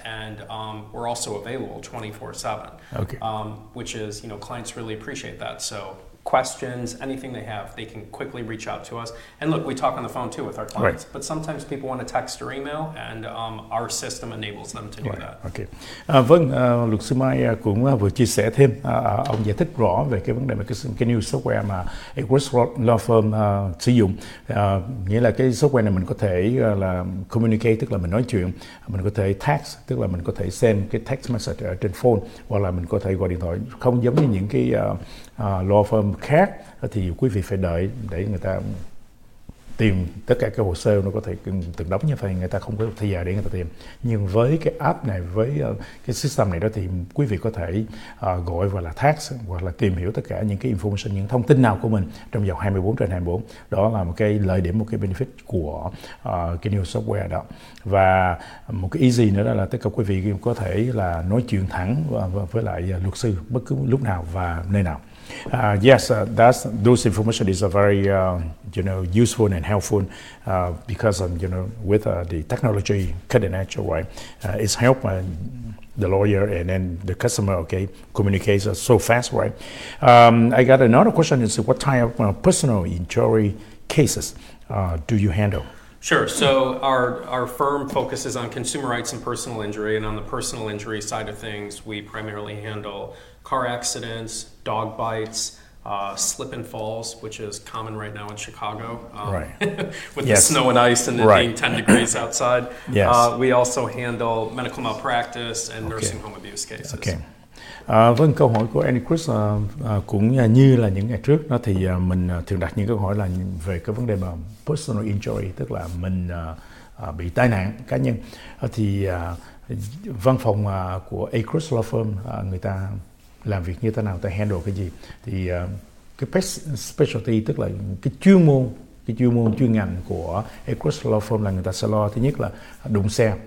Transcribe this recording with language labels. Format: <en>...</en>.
<en>And we're also available 24/7, which is, clients really appreciate that. So questions, anything they have, they can quickly reach out to us. And look, we talk on the phone too with our clients, but sometimes people want to text or email, and our system enables them to do that. Okay.</en> <vi>Luật sư Mai cũng vừa chia sẻ thêm, ông giải thích rõ về cái vấn đề mà cái new software mà Agruss Law Firm sử dụng. Nghĩa là cái software này mình có thể là communicate, tức là mình nói chuyện, mình có thể text, tức là mình có thể xem cái text message ở trên phone, hoặc là mình có thể gọi điện thoại, không giống như những cái law firm khác thì quý vị phải đợi để người ta tìm tất cả các hồ sơ, nó có thể từng đóng như vậy, người ta không có thời gian để người ta tìm. Nhưng với cái app này, với cái system này đó thì quý vị có thể gọi và là tax, hoặc là tìm hiểu tất cả những cái information, những thông tin nào của mình trong vòng 24/24. Đó là một cái lợi điểm, một cái benefit của cái new software đó. Và một cái easy nữa đó là tất cả quý vị có thể là nói chuyện thẳng với lại luật sư bất cứ lúc nào và nơi nào.</vi> <en>Those information is a very useful and helpful because with the technology cutting edge, right, it's help the lawyer and then the customer communicates so fast, right? I got another question is, what type of personal injury cases do you handle? Sure. So our firm focuses on consumer rights and personal injury, and on the personal injury side of things, we primarily handle car accidents, dog bites, slip and falls, which is common right now in Chicago with the snow and ice and it being 10 degrees outside. Yes. We also handle medical malpractice and nursing home abuse cases. Okay.</en> <vi>Vâng, câu hỏi của Annie Chris cũng như là những ngày trước đó thì mình thường đặt những câu hỏi là về cái vấn đề mà personal injury, tức là mình bị tai nạn cá nhân. Thì văn phòng của Agruss Law Firm người ta làm việc như thế nào, ta handle cái gì, thì cái specialty, tức là cái chuyên môn chuyên ngành của Agruss Law Firm là người ta sẽ lo thứ nhất là đụng xe.</vi>